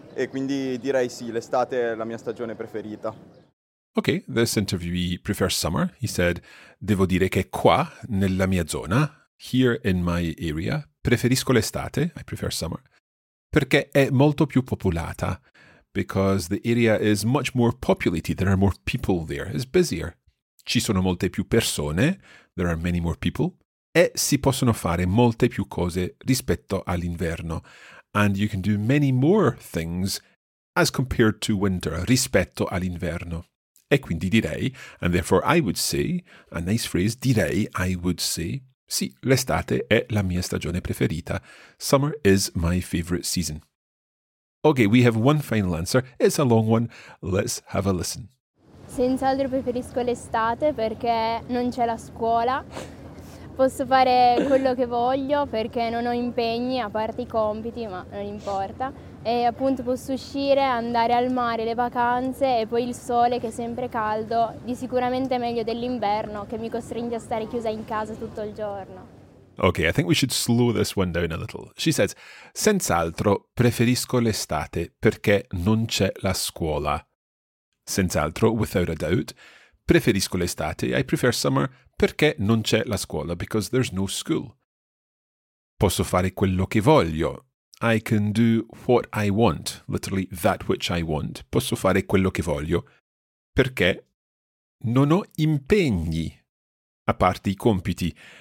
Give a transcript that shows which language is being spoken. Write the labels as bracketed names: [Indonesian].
[Italian] E quindi direi sì, l'estate è la mia stagione preferita. [English] Okay, this interviewee prefers summer. He said, [Italian] devo dire che qua nella mia zona, [English] here in my area, [Italian] preferisco l'estate, [English] I prefer summer, [Italian] perché è molto più popolata. [English] Because the area is much more populated, there are more people there, it's busier. [Italian] Ci sono molte più persone, [English] there are many more people. [Italian] E si possono fare molte più cose rispetto all'inverno. [English] And you can do many more things as compared to winter, [Italian] rispetto all'inverno. E quindi direi, [English] and therefore I would say, a nice phrase, direi, I would say, [Italian] sì, l'estate è la mia stagione preferita. [English] Summer is my favorite season. Okay, we have one final answer. It's a long one. Let's have a listen. [Italian] Senz'altro preferisco l'estate perché non c'è la scuola. Posso fare quello che voglio perché non ho impegni, a parte i compiti, ma non importa. E appunto posso uscire, andare al mare, le vacanze e poi il sole che è sempre caldo, di sicuramente meglio dell'inverno che mi costringe a stare chiusa in casa tutto il giorno. [English] Okay, I think we should slow this one down a little. She says, [Italian] senz'altro preferisco l'estate perché non c'è la scuola. Senz'altro, [English] without a doubt, [Italian] Preferisco l'estate. [English] I prefer summer [Italian] perché non c'è la scuola, [English] because there's no school. [Italian] Posso fare quello che voglio. [English] I can do what I want, literally that which I want. [Italian] Posso fare quello che voglio perché non ho impegni, a parte I compiti.